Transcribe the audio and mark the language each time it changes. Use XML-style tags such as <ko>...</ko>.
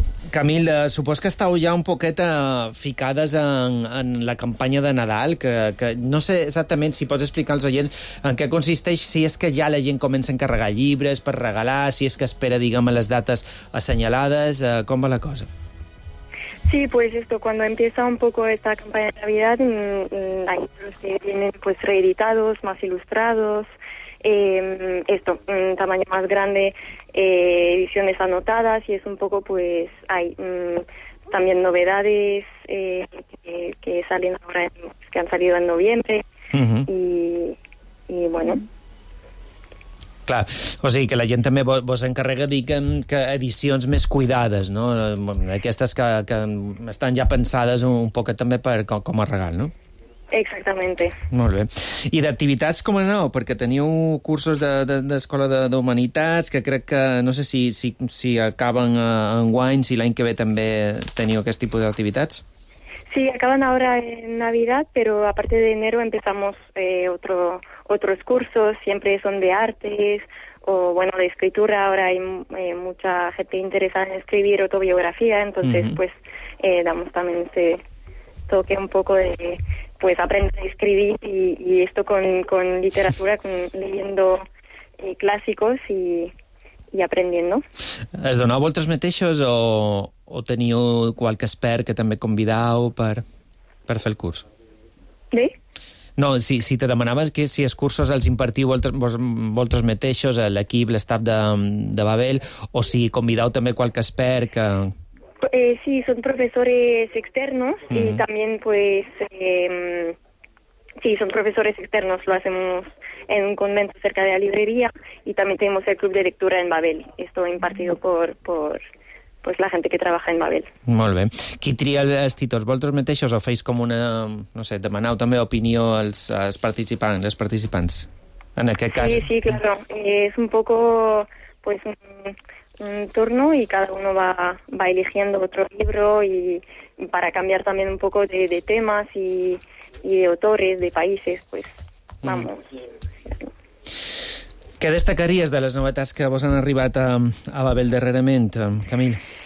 <ca>Camil, supos que estàu ja un poquet ficades en la campanya de Nadal, que no sé exactament si pots explicar als oients en què consisteix, si és que ja la gent comença a encarregar llibres per regalar, si és que espera, diguem, les dates assenyalades, com va la cosa?</ca> <es>Sí, pues esto, cuando empieza un poco esta campaña de Navidad, hay libros que vienen pues reeditados, más ilustrados, esto, un tamaño más grande, ediciones anotadas, y es un poco, pues, hay también novedades que salen ahora, que han salido en noviembre, y bueno...</es> <ca>Clar, o sigui que la gent també vos encarrega, diguem, que edicions més cuidades, no? Aquestes que estan ja pensades un poquet també per, com a regal, no?</ca> <es>Exactamente.</es> <ca>Molt bé. I d'activitats com aneu? Perquè teniu cursos d'escola d'Humanitats que crec que, no sé si acaben en guany, si l'any que ve també teniu aquest tipus d'activitats.</ca> <es>Sí,</es> <ca>acaben ara en</ca> <es>Navidad, però a partir de enero empezamos otros cursos, siempre son de artes o, bueno, de escritura. Ahora hay mucha gente interesada en escribir autobiografía, entonces pues damos también ese toque un poco de, pues, aprender a escribir y esto con literatura, leyendo clásicos y aprendiendo.</es> <ca>¿Es donado vosotros mateixos o teniu qualque expert que també convidau per fer el curs? Sí. No, si te demanaves que si els cursos els impartiu vosaltres mateixos, l'equip, l'estaf de Babel, o si convidau també qualque expert que... Sí, són professors externos i també,</ca> <es>pues, sí, són professors externos, lo hacemos en un convento cerca de la librería y también tenemos el club de lectura en Babel. Esto impartido por pues la gente que trabaja en Babel.</es> <ca>Molt bé. Qui tria els títols? Vosaltres mateixos o feis com una... No sé, demanau també opinió als participants, les participants, en aquest cas?</ca> <es>Sí, claro. Es un poco, pues, un turno y cada uno va eligiendo otro libro y para cambiar también un poco de temas y de autores, de países, pues, vamos...</es> <ca>Què destacaries de les novetats que vos han arribat a Babel darrerament, Camil?</ca>